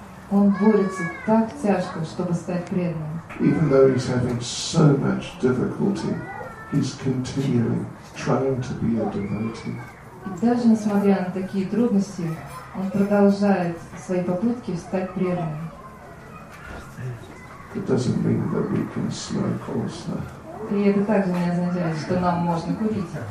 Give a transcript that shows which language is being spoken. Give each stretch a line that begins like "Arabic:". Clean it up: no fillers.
Russian: Он борется так тяжко, чтобы стать преданным.
English: Even though he's having so much difficulty, he's continually trying to be a devotee.
Russian: И даже несмотря на такие трудности, он продолжает свои попытки стать преданным.
English: It doesn't mean that we can smoke also.
Russian: И это также не означает, что нам можно курить.